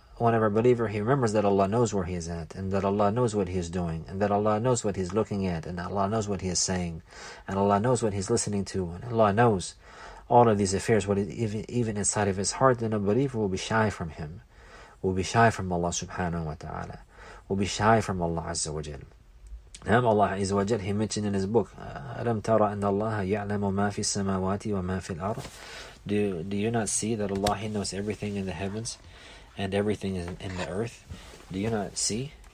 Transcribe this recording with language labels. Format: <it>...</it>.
<en>Whenever a believer, he remembers that Allah knows where he is at, and that Allah knows what he is doing, and that Allah knows what he is looking at, and Allah knows what he is saying, and Allah knows what he is listening to, and Allah knows all of these affairs, what is even inside of his heart, then a believer will be shy from him, will be shy from Allah subhanahu wa ta'ala, will be shy from Allah azza wa jal. Now Allah azza wa jal, he mentioned in his book,</en> <ar>أَلَمْ تَرَ أَنَّ اللَّهَ يَعْلَمُ مَا فِي السَّمَاوَاتِ وَمَا فِي الْأَرْضِ.</ar> <en>Do you not see that Allah, he knows everything in the heavens and everything is in the earth? Do you not see?</en>